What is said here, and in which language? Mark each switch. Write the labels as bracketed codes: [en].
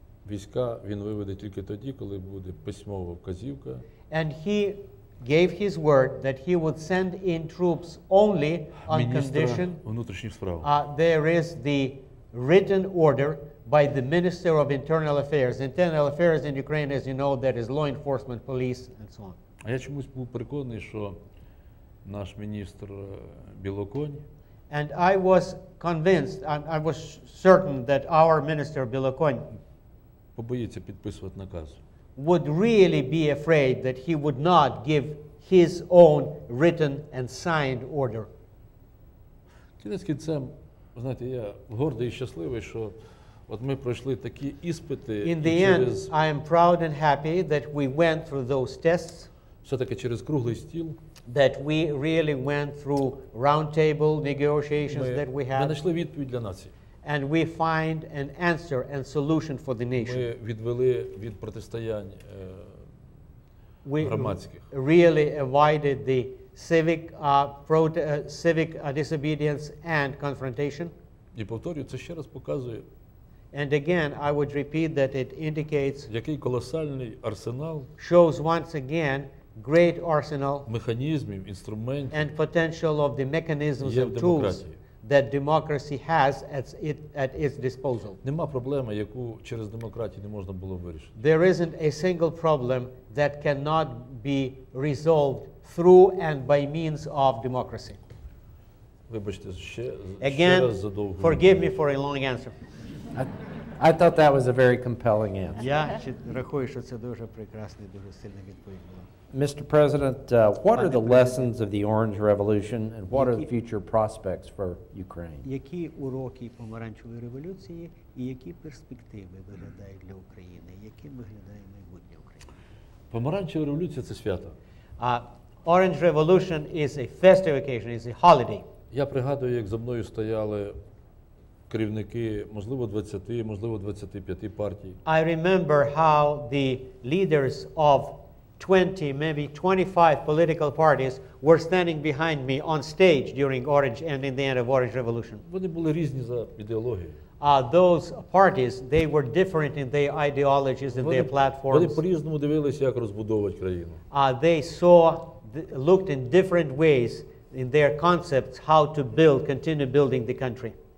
[uk] Війська він виведе тільки тоді, коли буде письмова вказівка. [en] And he gave his word that he would send in troops only on condition. [uk] Міністра внутрішніх справ. [en] There is the written order by the Minister of Internal Affairs. Internal Affairs in Ukraine, as you know, that is law enforcement, police, and so on. [uk] А я чомусь був переконаний, що наш міністр Білоконь. [en] And I was convinced, I was certain that our minister Білоконь [uk] побоїться підписувати наказ. [en] Would really be afraid that he would not give his own written and signed order. [uk] Кінець-кінцем, знаєте, я гордий і щасливий, що от ми пройшли такі іспити. [en] In the end, I am proud and happy that we went through those tests. [uk] Все-таки через круглий стіл. [en] That we really went through round table negotiations that we had. [uk] Ми знайшли відповідь для нації. [en] And we find an answer and solution for the nation. [uk] Ми відвели від протистоянь громадських. [en] We really avoided the civic civic disobedience and confrontation. [uk] І повторюю, це ще раз показує. [en] And again, I would repeat that it indicates. [uk] Який колосальний арсенал. [en] Shows once again great arsenal. [uk] Механізмів, інструментів. [en] And potential of the mechanisms and tools that democracy has at its disposal. [uk] Нема проблеми, яку через демократію не можна було вирішити. [en] There isn't a single problem that cannot be resolved through and by means of democracy. [uk] Вибачте, ще [en] Again, [uk] ще раз задовго. [en] Again, forgive me for a long answer. I thought that was a very compelling answer. [uk] Я рахую, що це дуже прекрасний, дуже сильний відповідь була. [en] Mr. President, what are the lessons of the Orange Revolution and what are the future prospects for Ukraine? [uk] Які уроки помаранчевої революції і які перспективи виглядають для України? Яким виглядає майбутнє України? Помаранчева революція – це свято. [en] Orange Revolution is a festive occasion, it's a holiday. [uk] Я пригадую, як за мною стояли керівники, можливо, 20, можливо, 25 партій. [en] I remember how the leaders of 20, maybe 25 political parties were standing behind me on stage during Orange and in the end of Orange Revolution. [uk] Вони були різні за ідеологією. [en] Those parties, they were different in their ideologies and their platforms. [uk] Вони по-різному дивилися, як розбудовувати країну. [en] They saw, looked in different ways in their concepts how to build, continue building the country.